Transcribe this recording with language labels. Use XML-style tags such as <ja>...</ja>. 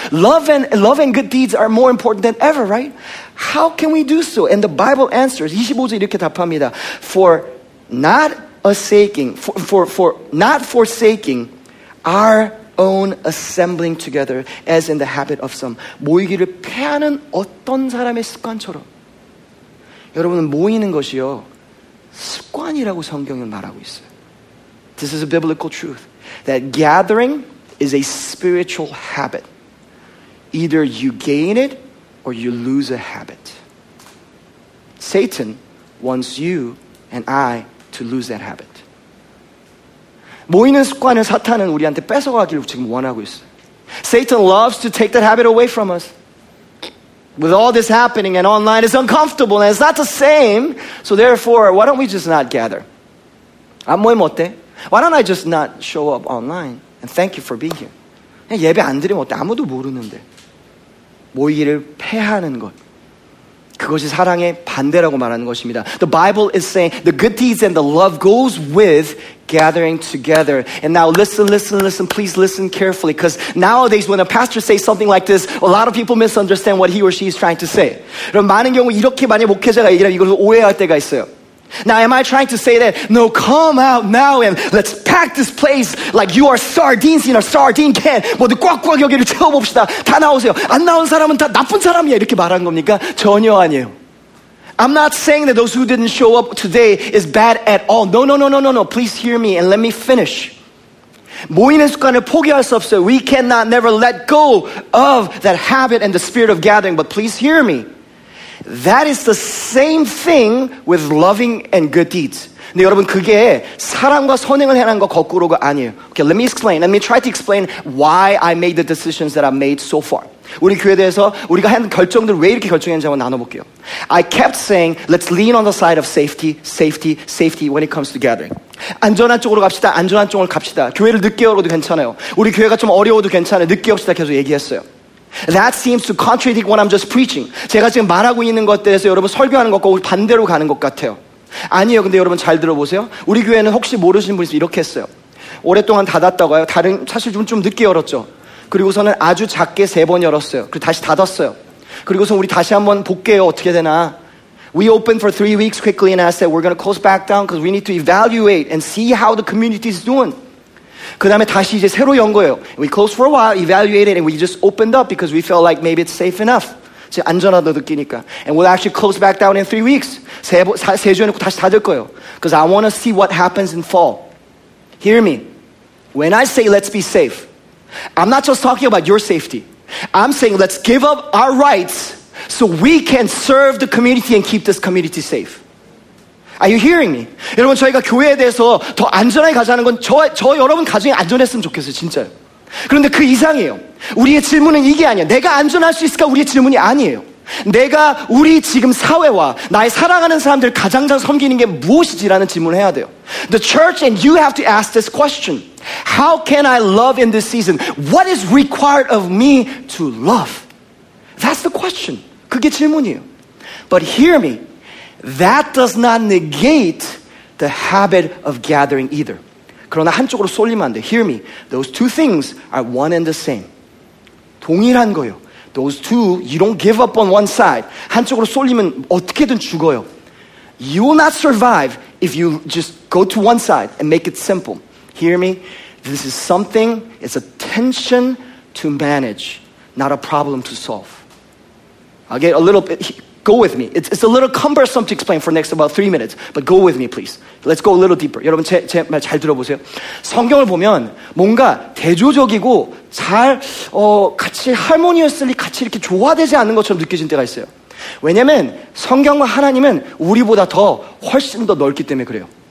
<en>Love and good deeds are more important than ever, right? How can we do so? And the Bible answers.</en> <ko>25절 이렇게 답합니다.</ko> <en>For not forsaking our own assembling together as in the habit of some.</en> <ko>모이기를 폐하는 어떤 사람의 습관처럼. 여러분은 모이는 것이요 습관이라고 성경은 말하고 있어요.</ko> <en>This is a biblical truth that gathering is a spiritual habit. Either you gain it or you lose a habit. Satan wants you and I to lose that habit.</en> <ko>모이는 습관을 사탄은 우리한테 뺏어가기를 지금 원하고 있어.</ko> <en>Satan loves to take that habit away from us. With all this happening and online, it's uncomfortable and it's not the same. So therefore, why don't we just not gather?</en> <ko>안 모이면 어때?</ko> <en>Why don't I just not show up online and thank you for being here?</en> <ko>그냥 예배 안 드리면 어때? 아무도 모르는데. 모이기를 폐하는 것. 그것이 사랑의 반대라고 말하는 것입니다.</ko> <en>The Bible is saying the good deeds and the love goes with gathering together. And now listen, listen, listen. Please listen carefully. Because nowadays when a pastor says something like this, a lot of people misunderstand what he or she is trying to say.</en> <ko>그럼 많은 경우 이렇게 많이 목회자가 얘기하면 이걸 오해할 때가 있어요.</ko> <en>Now am I trying to say that? No, come out now and let's pack this place like you are sardines in a sardine can.</en> <ko>모두 꽉꽉 여기를 채워봅시다. 다 나오세요. 안 나온 사람은 다 나쁜 사람이야. 이렇게 말한 겁니까? 전혀 아니에요.</ko> <en>I'm not saying that those who didn't show up today is bad at all. No, no, no, no, no, no. Please hear me and let me finish.</en> <ko>모이는 습관을 포기할 수 없어요.</ko> <en>We cannot never let go of that habit and the spirit of gathering. But please hear me. That is the same thing with loving and good deeds.</en> <ko>근데 여러분 그게 사랑과 선행을 행한 거 거꾸로가 아니에요.</ko> <en>Okay, let me explain. Let me try to explain why I made the decisions that I made so far.</en> <ko>우리 교회에 대해서 우리가 한 결정들 왜 이렇게 결정했는지 한번 나눠볼게요.</ko> <en>I kept saying, let's lean on the side of safety, safety, safety when it comes to gathering.</en> <ko>안전한 쪽으로 갑시다. 안전한 쪽으로 갑시다. 교회를 늦게 열어도 괜찮아요. 우리 교회가 좀 어려워도 괜찮아요. 늦게 옵시다 계속 얘기했어요.</ko> <en>That seems to contradict what I'm just preaching.</en> <ko>제가 지금 말하고 있는 것에 대해서 여러분 설교하는 것과 반대로 가는 것 같아요. 아니에요. 근데 여러분 잘 들어보세요. 우리 교회는 혹시 모르시는 분이 있으면 이렇게 했어요. 오랫동안 닫았다고요. 다른 사실 좀 늦게 열었죠. 그리고서는 아주 작게 세 번 열었어요. 그리고 다시 닫았어요. 그리고서 우리 다시 한번 볼게요. 어떻게 되나.</ko> <en>We opened for 3 weeks quickly and I said we're going to close back down because we need to evaluate and see how the community is doing.</en> <ko>그 다음에 다시 이제 새로 연 거예요.</ko> <en>We closed for a while, evaluated, and we just opened up because we felt like maybe it's safe enough.</en> <ko>이제 안전하다 느끼니까.</ko> <en>And we'll actually close back down in 3 weeks.</en> <ko>세 주 해놓고 다시 닫을 거예요.</ko> <en>Because I want to see what happens in fall. Hear me. When I say let's be safe, I'm not just talking about your safety. I'm saying let's give up our rights so we can serve the community and keep this community safe. Are you hearing me?</en> <ko>여러분 저희가 교회에 대해서 더 안전하게 가자는 건 저 여러분 가정이 안전했으면 좋겠어요. 진짜요. 그런데 그 이상이에요. 우리의 질문은 이게 아니야. 내가 안전할 수 있을까? 우리의 질문이 아니에요. 내가 우리 지금 사회와 나의 사랑하는 사람들 가장 잘 섬기는 게 무엇이지라는 질문을 해야 돼요.</ko> <en>The church and you have to ask this question. How can I love in this season? What is required of me to love? That's the question.</en> <ko>그게 질문이에요.</ko> <en>But hear me. That does not negate the habit of gathering either.</en> <ko>그러나 한쪽으로 쏠리면 안 돼.</ko> <en>Hear me. Those two things are one and the same.</en> <ko>동일한 거예요.</ko> <en>Those two, you don't give up on one side.</en> <ko>한쪽으로 쏠리면 어떻게든 죽어요.</ko> <en>You will not survive if you just go to one side and make it simple. Hear me. This is something, it's a tension to manage, not a problem to solve. I'll get a little bit... Go with me. It's a little cumbersome to explain for next about 3 minutes. But go with me, please. Let's go a little deeper.</en> <ko>여러분, 제 말 잘 들어보세요. 성경을 보면 뭔가 대조적이고 잘 같이 harmoniously 같이 이렇게 조화되지 않는 것처럼 느껴진 때가 있어요. 왜냐면 성경과 하나님은 우리보다 더 훨씬 더 넓기 때문에 그래요.</ko>